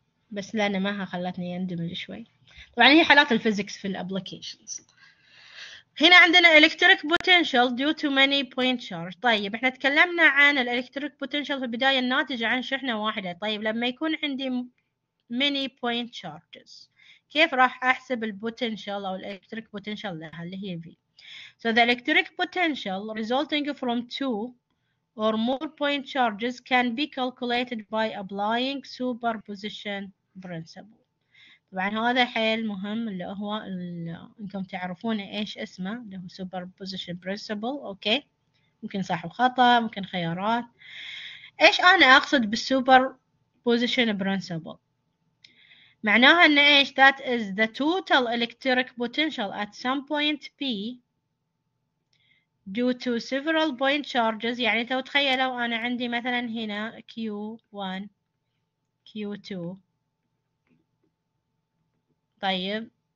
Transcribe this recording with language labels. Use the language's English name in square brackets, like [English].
[Arabic] بس لا ما خلتني اندمج شوي. طبعا هي حالات الفيزيكس في الابليكيشنز. هنا عندنا [English] electric potential due to many point charge. [Arabic] طيب احنا تكلمنا عن electric potential في البداية الناتج عن شحنة واحدة. طيب لما يكون عندي [English] many point charges [Arabic] كيف راح احسب البوتنشال او الالكتريك بوتنشال لها اللي هي في. [English] So the electric potential resulting from two or more point charges can be calculated by applying superposition principle. [Arabic] طبعا هذا حيل مهم اللي هو انكم تعرفون ايش اسمه اللي هو superposition principle. اوكي ممكن صح وخطا، ممكن خيارات. ايش انا اقصد بالsuperposition principle؟ معناها ان ايش؟ [English] that is the total electric potential at some point p due to several point charges. [Arabic] يعني لو تخيلوا انا عندي مثلا هنا q1 q2 طيب